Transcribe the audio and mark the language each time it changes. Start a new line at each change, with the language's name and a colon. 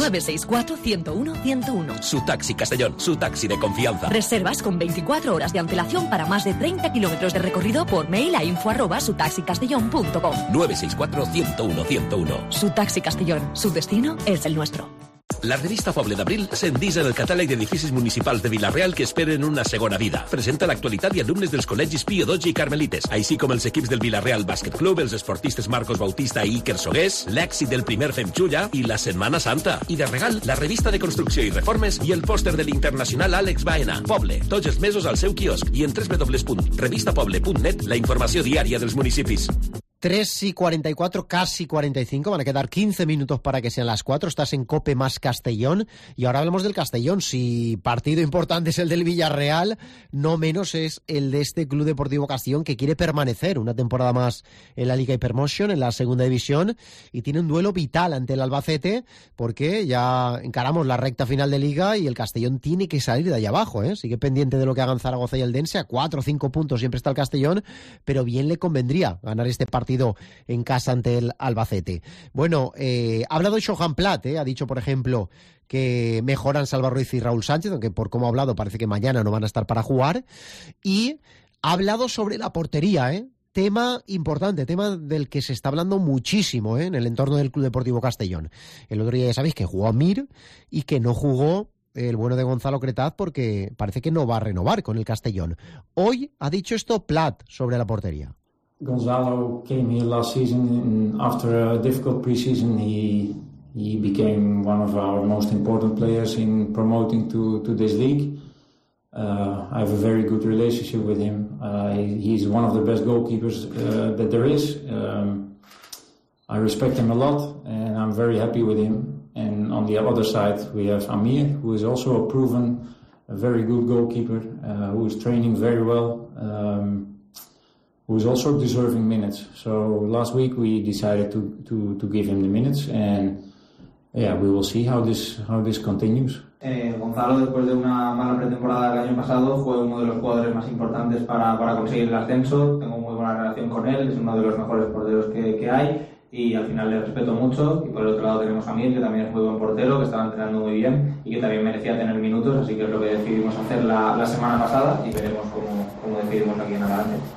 Spanish: 964-101-101. Su taxi Castellón, su taxi de confianza. Reservas con 24 horas de antelación para más de 30 kilómetros de recorrido por mail a info@sutaxicastellón.com. 964-101-101. Su taxi Castellón, su destino es el nuestro.
Catalan: La revista Poble d'Abril s'endinsa en el catàleg d'edificis municipals de Vila-real que esperen una segona vida. Presenta l'actualitat i alumnes dels col·legis Pio XII i Carmelites, així com els equips del Vila-real Bàsquet Club, els esportistes Marcos Bautista i Iker Sogués, l'èxit del primer Femxulla i la Setmana Santa. I de regal, la revista de construcció i reformes i el pòster de l'internacional Àlex Baena. Poble, tots els mesos al seu quiosc i en www.revistapoble.net, la informació diària dels municipis.
Spanish: 3:44, casi 45, van a quedar 15 minutos para que sean las 4, estás en COPE más Castellón, y ahora hablemos del Castellón. Si partido importante es el del Villarreal, no menos es el de este Club Deportivo Castellón, que quiere permanecer una temporada más en la Liga Hypermotion, en la segunda división, y tiene un duelo vital ante el Albacete, porque ya encaramos la recta final de Liga y el Castellón tiene que salir de allá abajo, ¿eh? Sigue pendiente de lo que hagan Zaragoza y Eldense, a 4 o 5 puntos siempre está el Castellón, pero bien le convendría ganar este partido en casa ante el Albacete. Bueno, ha hablado Johan Platt, ha dicho, por ejemplo, que mejoran Salva Ruiz y Raúl Sánchez, aunque por cómo ha hablado parece que mañana no van a estar para jugar, y ha hablado sobre la portería, tema importante, tema del que se está hablando muchísimo, en el entorno del Club Deportivo Castellón. El otro día ya sabéis que jugó Amir y que no jugó el bueno de Gonzalo Cretaz porque parece que no va a renovar con el Castellón. Hoy ha dicho esto Platt sobre la portería.
English: Gonzalo came here last season and after a difficult preseason he became one of our most important players in promoting to this league. I have a very good relationship with him. He's one of the best goalkeepers that there is. I respect him a lot and I'm very happy with him. And on the other side we have Amir, who is also a proven, a very good goalkeeper, who is training very well. Who is also deserving minutes. So last week we decided to give him the minutes, and yeah, we will see how this continues.
Spanish: Gonzalo, después de una mala pretemporada del año pasado, fue uno de los jugadores más importantes para conseguir el ascenso. Tengo muy buena relación con él, es uno de los mejores porteros que hay, y al final le respeto mucho. Y por el otro lado tenemos a Miel, que también es muy buen portero, que estaba entrenando muy bien y que también merecía tener minutos, así que es lo que decidimos hacer la semana pasada y veremos cómo decidimos aquí en adelante.